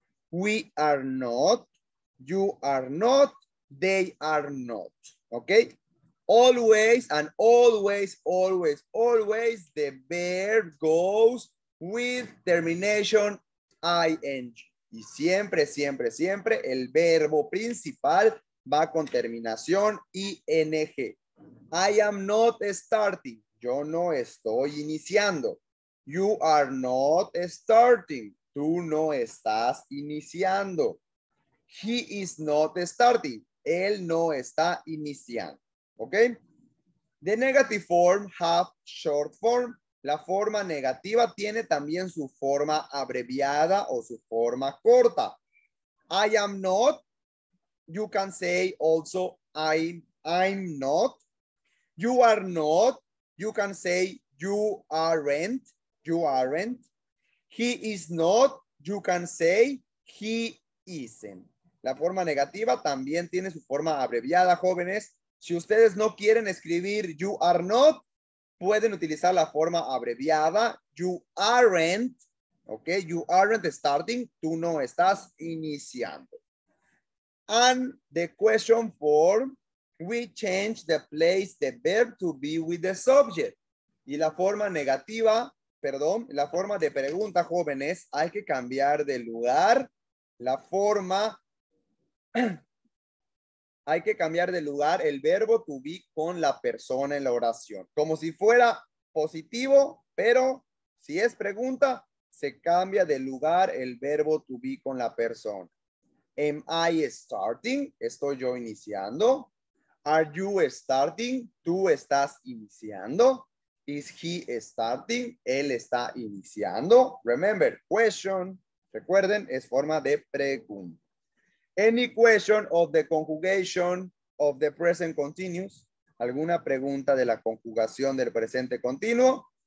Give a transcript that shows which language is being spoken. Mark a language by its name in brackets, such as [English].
[English] We are not, you are not, they are not, okay? Always and always, always, always, the verb goes with termination ing. [Spanish] Y siempre, siempre, siempre, el verbo principal va con terminación ing. [English] I am not starting, [Spanish] yo no estoy iniciando. [English] You are not starting. [Spanish] Tú no estás iniciando. [English] He is not starting. [Spanish] Él no está iniciando. ¿Ok? [English] The negative form have short form. [Spanish] La forma negativa tiene también su forma abreviada o su forma corta. [English] I am not. You can say also I'm not. You are not. You can say you aren't. You aren't. He is not, you can say, he isn't. [Spanish] La forma negativa también tiene su forma abreviada, jóvenes. Si ustedes no quieren escribir [English] you are not, [Spanish] pueden utilizar la forma abreviada, [English] you aren't, ok, you aren't starting, [Spanish] tú no estás iniciando. [English] And the question form, we change the place the verb to be with the subject. [Spanish] Y la forma negativa, perdón, la forma de pregunta, jóvenes, hay que cambiar de lugar. La forma, hay que cambiar de lugar el verbo to be con la persona en la oración. Como si fuera positivo, pero si es pregunta, se cambia de lugar el verbo to be con la persona. [English] Am I starting? [Spanish] Estoy yo iniciando. [English] Are you starting? [Spanish] Tú estás iniciando. [English] Is he starting? [Spanish] Él está iniciando. [English] Remember, question. [Spanish] Recuerden, es forma de pregunta. [English] Any question of the conjugation of the present continuous? [Spanish] ¿Alguna pregunta de la conjugación del presente continuo?